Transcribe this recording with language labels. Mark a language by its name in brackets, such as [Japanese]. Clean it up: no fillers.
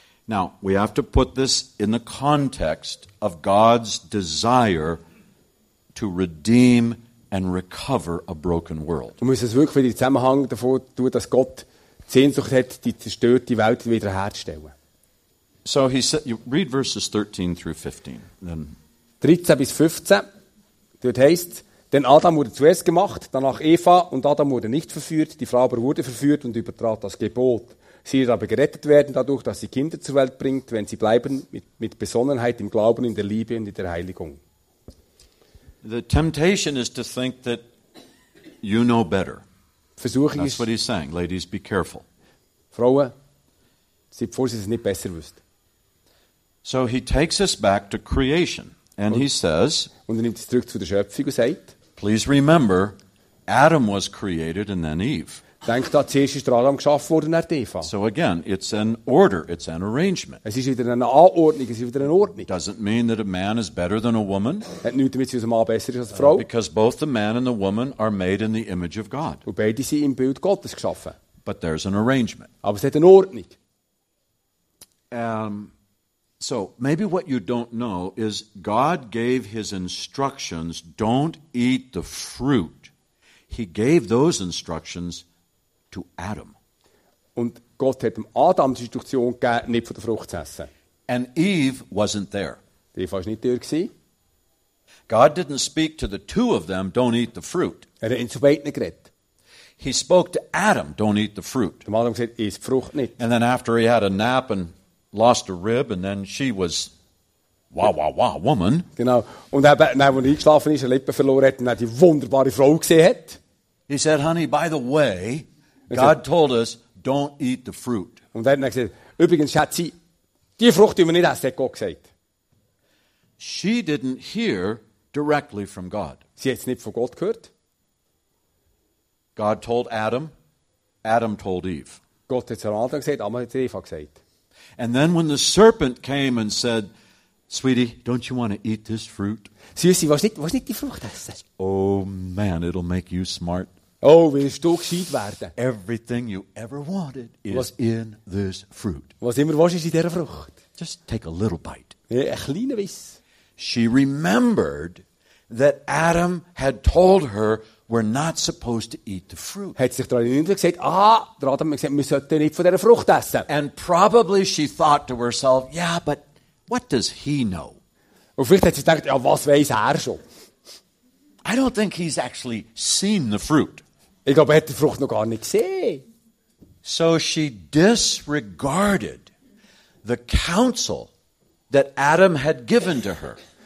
[English] Now, we have to put this in the context of God's desire to redeem and recover a broken world. [German] Wir müssen es wirklich in den Zusammenhang davon tun, dass Gott die Sehnsucht hat, die zerstörte Welt wiederherzustellen. [English] So, he said, you read verses 13 through 15. Then. [German] 13 bis 15, dort heißt es, Denn Adam wurde zuerst gemacht, danach Eva, und Adam wurde nicht verführt, die Frau aber wurde verführt und übertrat das Gebot. Sie wird aber gerettet werden dadurch, dass sie Kinder zur Welt bringt, wenn sie bleiben mit Besonnenheit im Glauben, in der Liebe und in der Heiligung. [English] The temptation is to think that you know better. [German] Versuche [English] That's what he's saying. Ladies, be careful. [German] Frauen, seid vor, dass ihr es nicht besser wisst. [English] So he takes us back to creation and he says, [German] und er nimmt uns zurück zu der Schöpfung und sagt, [English] please remember, Adam was created and then Eve. [German] Denkt da, zuerst ist Adam geschaffen worden, dann Eva. [English] So again, it's an order, it's an arrangement. [German] Es ist wieder eine Anordnung, es ist wieder eine Ordnung. [English] Doesn't mean that a man is better than a woman. [German] Hat nichts damit zu tun, dass ein Mann besser ist als eine Frau. [English] Because both the man and the woman are made in the image of God. [German] Und beide sind im Bild Gottes geschaffen. [English] But there's an arrangement. [German] Aber es hat eine Ordnung. [English] So maybe what you don't know is God gave his instructions, don't eat the fruit. He gave those instructions to Adam. [German] Und Gott hat Adam die Instruktion gegeben, nicht von der Frucht zu essen. [English] And Eve wasn't there. [German] Die Eva war nicht dort. [English] God didn't speak to the two of them, don't eat the fruit. [German] Er hat ihn zu beiden geredet. [English] He spoke to Adam, don't eat the fruit. [German] Dem Adam gesagt, iss die Frucht nicht. [English] And then after he had a nap and lost a rib, and then she was wah wah wah woman. [German] Genau. Und dann, als er eingeschlafen ist, seine Lippen verloren hat, und dann die wunderbare Frau gesehen hat. [English] He said, honey, by the way, God told us, don't eat the fruit. [German] Und dann hat er gesagt, übrigens, Schatzi, die Frucht, die wir nicht essen, hat Gott gesagt. [English] She didn't hear directly from God. [German] Sie hat es nicht von Gott gehört. [English] God told Adam, Adam told Eve. [German] Gott hat es an Adam gesagt, Adam hat es Eva gesagt. [English] And then when the serpent came and said, sweetie, don't you want to eat this fruit? [German] Süssi, was nicht die Frucht essen? [English] Oh man, it'll make you smart. [German] Oh, willst du gescheit werden? [English] Everything you ever wanted is was, in this fruit. [German] Was immer was ist in dieser Frucht? [English] Just take a little bite. [German] Ja, ein kleiner Biss. [English] She remembered that Adam had told her we're not supposed to eat the fruit. [German] Hat sich daran erinnert und gesagt, der Adam hat gesagt, wir sollten nicht von dieser Frucht essen. [English] And probably she thought to herself, yeah, but what does he know? [German] Und vielleicht hat sie gedacht, ja, was weiß schon? [English] I don't think he's actually seen the fruit. [German] Ich glaube, er hat die Frucht noch gar nicht gesehen. [English] So she disregarded the counsel that Adam had given to her.